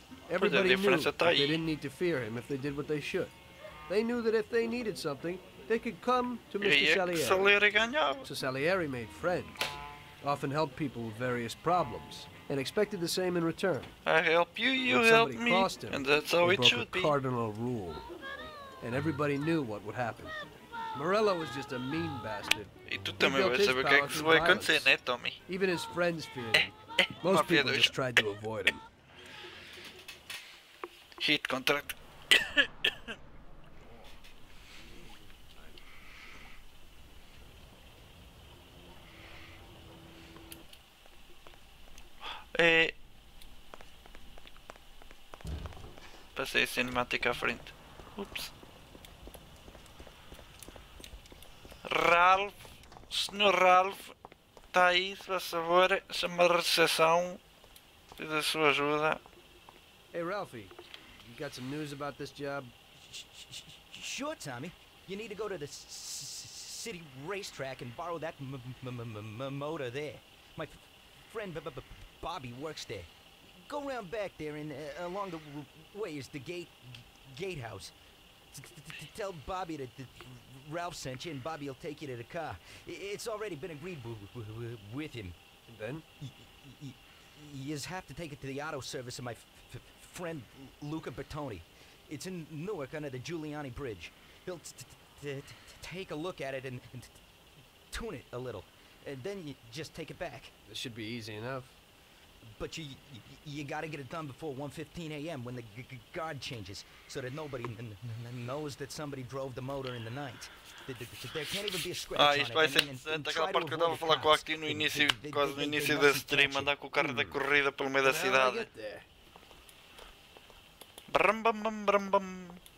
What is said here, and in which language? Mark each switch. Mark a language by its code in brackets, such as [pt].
[en] Everybody knew that they didn't need to fear him if they did what they should. They knew that if they needed something, they could come to Mr. Salieri. So Salieri made friends, often helped people with various problems, and expected the same in return. I help you, you help me, him, and that's how it should be. Cardinal rule, and everybody knew what would happen. Morello was just a mean bastard. [pt] E tu também vai saber o que é que se vai acontecer, né, Tommy? [en] Even his friends feared him. Most people just tried to avoid him. Hit contract. [pt] Passei a cinemática à frente. Ups. Ralph, Sr. Ralph, está aí, se faz favor, chama a recepção, pede a sua ajuda. [en] Hey, Ralphie, you got some news about this job? Sure, Tommy. You need to go to the city racetrack and borrow that motor there. My friend Bobby works there. Go round back there and along the way is the gatehouse. Tell Bobby that Ralph sent you, and Bobby will take you to the car. It's already been agreed with him. And then? You just have to take it to the auto service of my friend Luca Bertoni. It's in Newark under the Giuliani Bridge. He'll take a look at it and tune it a little. And then you just take it back. This should be easy enough. But you gotta get it done before 1:15 a.m. when the guard changes, so that nobody knows that somebody drove the motor in the night. There can't even be a scratch. [pt] Ah, isto vai ser interessante. Aquela parte que eu estava a falar com aqui no início, quase no início da stream, andar com o carro da corrida pelo meio da cidade. Brum, bum, bum, brum, bum.